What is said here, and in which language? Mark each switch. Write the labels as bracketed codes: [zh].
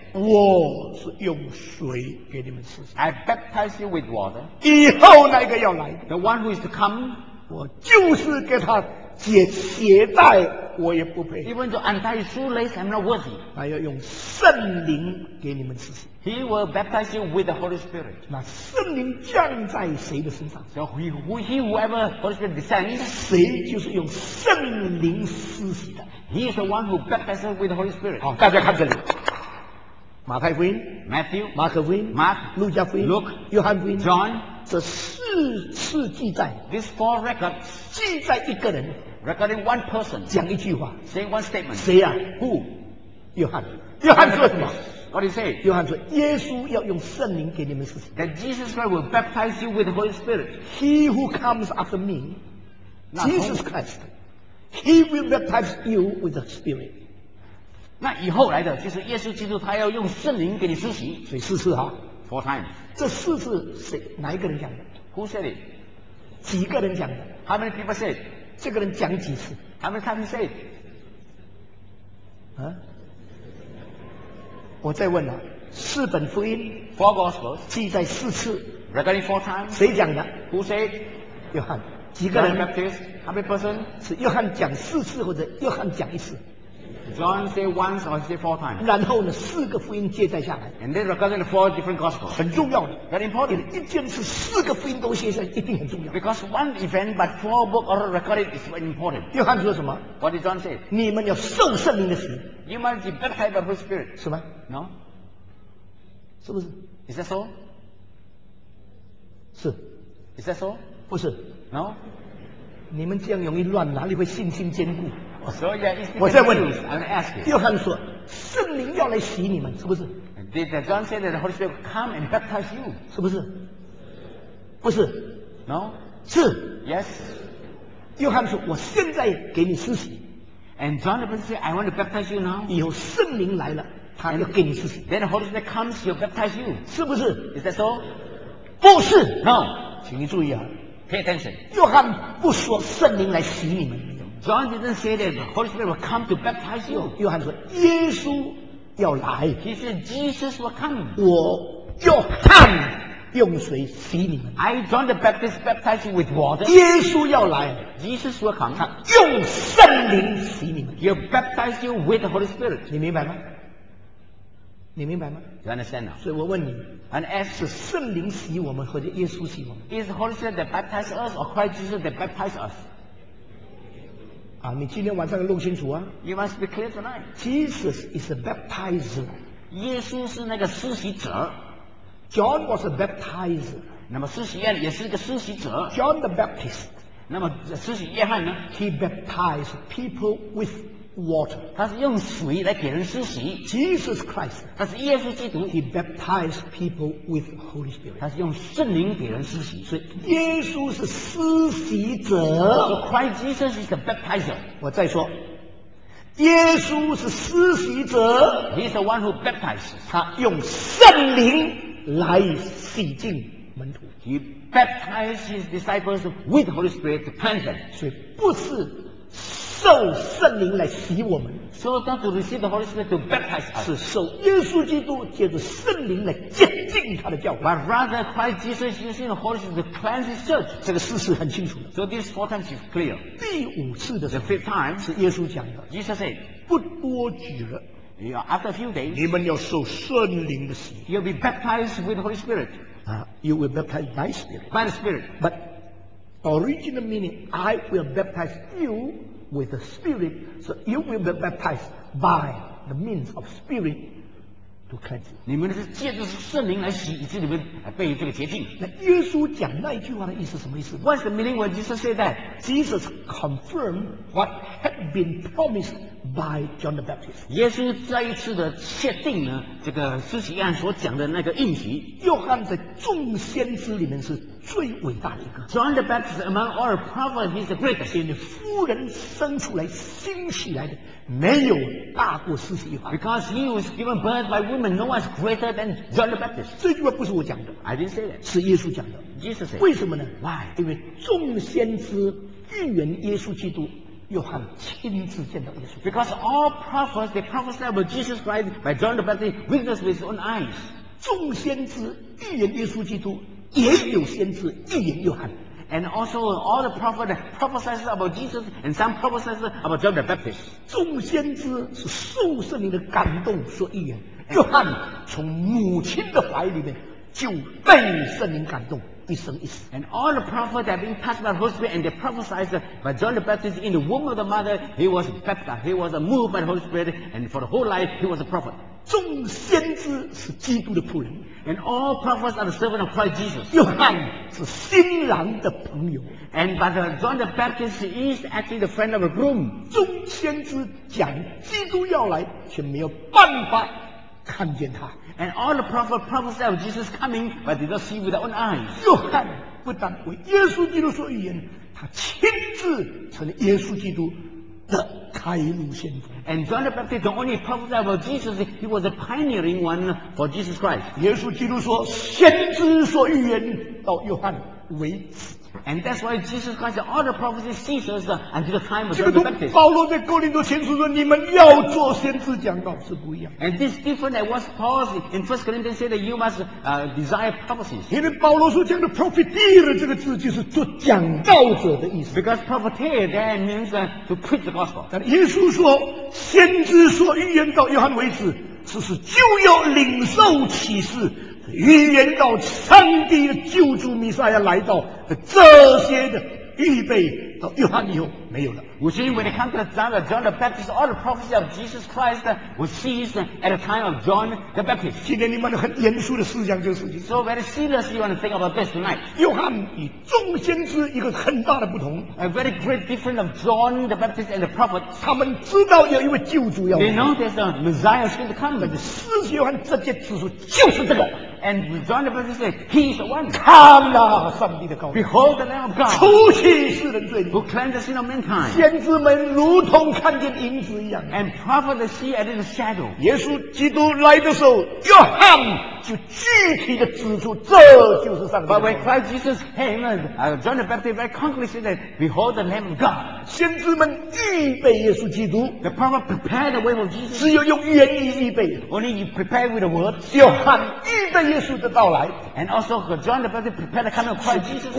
[zh] 我是用水给你们施洗。 [en] I baptize you with water。 [zh] 以后那个要来 [en] ，the one who is to come。 [zh] 我就是给他解鞋带，我也不配。 [en] Even though untie shoelaces, I'm not worthy. [zh] 他要用圣灵给你们赐福。 [en] He will baptize you with the Holy Spirit. [zh] 那圣灵降在谁的身上 [en] ？So whoever Holy Spirit descends, [zh] 谁就是用圣灵赐福的。 [en] He is the one who baptizes with the Holy Spirit. [zh] 好，大家看这里。马太福音 [en] Matthew, [zh] 马可福音 [en] Mark, [zh] 路加福音 [en] Luke, [zh] 约翰福音 [en] John, [zh] 这四次记载 [en] These four records, [zh] 记载一个人 [en] recording one person, [zh] 讲一句话 [en] say one statement, [zh] 谁啊 [en] who? [zh] 约翰约翰说什么 [en] what did he say? [zh] 约翰说耶稣要用圣灵给你们施洗 [en] that Jesus Christ will baptize you with the Holy Spirit. He who comes after me, Jesus Christ, he will baptize you with the Spirit. [zh] 那以后来的就是耶稣基督，他要用圣灵给你施洗，所以四次哈 [en] ，four times。 [zh] 这四次谁哪一个人讲的 [en] ？Who said it？ [zh] 几个人讲的 [en] ？How many people said？ [zh] 这个人讲几次 [en] ？How many times said？啊？ [zh] 我再问了，四本福音 [en] ，four gospels， [zh] 记载四次 [en] ，regarding four times， [zh] 谁讲的 [en] ？Who said？ [zh] 约翰，几个人 [en] ？John Baptist， how many person？ [zh] 是约翰讲四次，或者约翰讲一次？ [en] John say once or say four times. [zh] 然后呢，四个福音接在下来。 [en] And then regarding the four different gospels. [zh] 很重要的。 [en] Very important. [zh] 一件事四个福音都写下来，一定很重要。 [en] Because one event but four books are recorded is very important. [zh] 约翰说什么 [en] ？What did John say? [zh] 你们要受圣灵的洗。 [en] You must be baptized by the Spirit. [zh] 是吗 [en] ？No. [zh] 是不是 [en] ？Is that so? [zh] 是。 [en] Is that so? [zh] 不是。 [en] No. [zh] 你们这样容易乱，哪里会信心坚固？ [en] So, yeah, [zh] 我在问你 ，约翰说，圣灵要来洗你们，是不是 [en] ？Did John say that the Holy Spirit come and baptize you？ [zh] 是不是？不是 [en] ，No， [zh] 是 [en] ，Yes。 [zh] 约翰说，我现在给你施洗 [en] ，And John the Baptist said, I want to baptize you now。 [zh] 以后圣灵来了，他要给你施洗 [en] ，Then the Holy Spirit comes, he'll baptize you， [zh] 是不是 [en] ？Is that so？ [zh] 不是 [en] ，No， [zh] 请你注意啊 [en] ，Pay attention。 [zh] 约翰不说圣灵来洗你们。 [en] John didn't say that the Holy Spirit will come to baptize you. [zh] 约翰说耶稣要来。 [en] He said Jesus will come. [zh] 我要看用水洗你们。 [en] I John the Baptist baptize you with water. [zh] 耶稣要来。 [en] Jesus will come. [zh] 他用圣灵洗你们。 [en] He'll baptize you with the Holy Spirit. [zh] 你明白吗？你明白吗 [en] ？You understand now? [zh] 所以我问你 [en] ，And as [zh] 是圣灵洗我们，或者耶稣洗我们 [en] ？Is Holy Spirit that baptize us, or Christ Jesus that baptize us? [zh] 啊、你今天晚上要弄清楚啊 [en] ！You must be clear tonight. Jesus is a baptizer. [zh] 耶稣是那个施洗者。 [en] John was a baptizer. [zh] 那么施洗约翰也是一个施洗者。 [en] John the Baptist. [zh] 那么施洗约翰呢 [en] ？He baptized people with water. [zh] 他是用水来给人施洗。 [en] Jesus Christ. [zh] 他是耶稣基督。 [en] He baptized people with Holy Spirit. [zh] 他是用圣灵给人施洗。所以耶稣是施洗者。 [en] So Christ Jesus is the baptizer. [zh] 我再说，耶稣是施洗者。 [en] He's the one who baptizes. [zh] 他用圣灵来洗净门徒。 [en] He baptized his disciples with Holy Spirit to cleanse them. [zh] 所以不是。受圣灵来洗我们 [en] ，so that to receive the Holy Spirit to baptize us， [zh] 是受耶稣基督借着圣灵来洁净他的教会。 [en] But rather Christ Jesus using the Holy Spirit to cleanse His church， [zh] 这个事实很清楚的。 [en] So these four times is clear。 [zh] 第五次的时候 [en] ，the fifth time， [zh] 是耶稣讲的。 [en] Jesus said， [zh] 不多久了 [en] ，yeah， after a few days， [zh] 你们要受圣灵的洗。 [en] You'll be baptized with the Holy Spirit。 You will baptize by Spirit。 By the Spirit。 But original meaning， I will baptize you。 With the Spirit, so you will be baptized by the means of Spirit to cleanse you. [zh] 你们是借着圣灵来洗，以致你们被这个洁净。那耶稣讲那一句话的意思什么意思 [en] ？What's the meaning when Jesus said that? Jesus confirmed what had been promised by John the Baptist. [zh] 耶稣再一次的确定呢，这个施洗约翰所讲的那个应许。约翰在众先知里面是。最伟大的一个 [en] John the Baptist among all the prophets he's the greatest [zh] in 妇人生出来兴起来的没有大过施洗约翰 [en] Because he was given birth by women no one's greater than John the Baptist [zh] 这句话不是我讲的 [en] I didn't say that [zh] 是耶稣讲的 [en] Jesus said [zh] 为什么呢 [en] Why [zh] 因为众先知预言耶稣基督约翰亲自见到耶稣 [en] Because all prophets they prophesied about Jesus Christ by John the Baptist witnessed with his own eyes [zh] 众先知预言耶稣基督也有先知预言约翰， [en] and also all the prophets prophesied about Jesus, and some prophesied about John the Baptist. [zh] 众先知是受圣灵的感动所预言。约翰从母亲的怀里面就被圣灵感动，一生一世。 [en] And all the prophets have been passed by the Holy Spirit, and they prophesied by John the Baptist in the womb of the mother. He was baptized. He was moved by the Holy Spirit, and for the whole life he was a prophet. [zh] 众先知是基督的仆人。 [en] And all prophets are the servant of Christ Jesus. [zh] 约翰是新郎的朋友。 [en] And by the John the Baptist is actually the friend of the groom. [zh] 众先知讲基督要来，却没有办法看见他。 [en] And all the prophets prophesied of Jesus coming, but did not see with their own eyes. [zh] 约翰不但为耶稣基督所预言，他亲自成了耶稣基督的开路先锋。 [en] And John the Baptist not only prophesied about Jesus, he was a pioneering one for Jesus Christ. [zh] 耶稣基督说，先知所预言到约翰为止。 [en] And that's why Jesus Christ said all the prophecies ceases until the time of John the Baptist. [zh] 保罗在哥林多前书说，你们要做先知讲道是不一样。 [en] And this different than what Paul in 1 Corinthians said that you must desire prophecies. [zh] 因为保罗说这个 prophetia 这个字就是做讲道者的意思。 [en] Because prophetia that means to preach the gospel. [zh] 但耶稣说，先知所预言到约翰为止，只是就要领受启示。预言到上帝的救主弥赛亚来到的这些的预备到约翰以后没有了。 [en] Which is when it comes to John, John the Baptist, all the prophecy of Jesus Christ was ceased at the time of John the Baptist. [zh] 今天你们很严肃的思想这个事情。 [en] So very serious, you want to think about this tonight. [zh] 约翰与众先知一个很大的不同。 [en] A very great difference of John the Baptist and the prophet. [zh] 他们知道有一位救主要来。 [en] They know there's a Messiah going to come. [zh] 但是使徒约翰直接指出就是这个。 [en] And John the Baptist said, He is the one. [zh] 看哪，上帝的羔羊。 [en] Behold the Lamb of God. [zh] 除去世人罪孽。 [en] Who cleanses the sin of mankind. [zh] 先知们如同看见影子一样。 [en] And prophet see as in a shadow. [zh] 耶稣基督来的时候，约翰就具体的指出，这就是上帝。 [en] But when Christ Jesus came, John the Baptist very concretely said, Behold the Lamb of God. [zh] 先知们预备耶稣基督。 [en] The prophet prepared the way of Jesus. [zh] 只有用言语预备。 [en] Only you prepare with the word. [zh] 约翰预备。耶稣的到来 [en] ，and also John the Baptist prepared the coming of Christ Jesus，